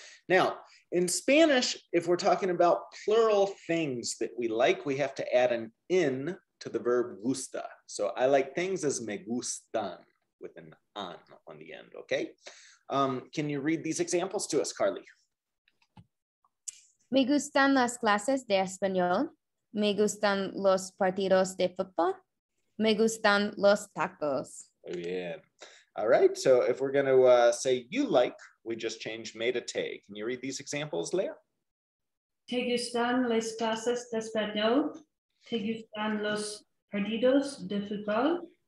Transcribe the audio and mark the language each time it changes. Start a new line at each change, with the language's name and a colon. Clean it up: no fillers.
English: Now, in Spanish, if we're talking about plural things that we like, we have to add an N to the verb gusta. So I like things as me gustan, with an an on the end, okay? Can you read these examples to us, Carly?
Spanish: Me gustan las clases de español. Me gustan los partidos de fútbol. Me gustan los tacos.
English: Oh, yeah. All right, so if we're gonna say you like, we just changed me to te. Can you read these examples, Leah?
Spanish: ¿Te gustan las clases de español? ¿Te gustan los partidos de fútbol?